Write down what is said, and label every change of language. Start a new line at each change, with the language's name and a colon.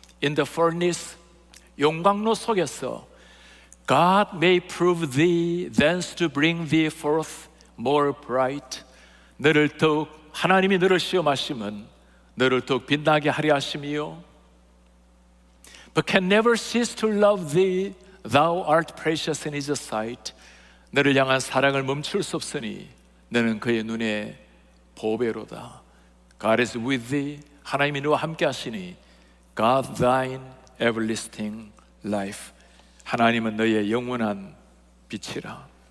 English: In the furnace,
Korean: 용광로 속에서
English: God may prove thee, thence to bring thee forth more bright.
Korean: 너를 더욱, 하나님이 너를 시험하시면 너를 더욱 빛나게 하려 하심이요.
English: But can never cease to love thee, thou art precious in his sight.
Korean: 너를 향한 사랑을 멈출 수 없으니 너는 그의 눈에 보배로다.
English: God is with thee,
Korean: 하나님이 너와 함께 하시니
English: God thine everlasting life,
Korean: 하나님은 너의 영원한 빛이라.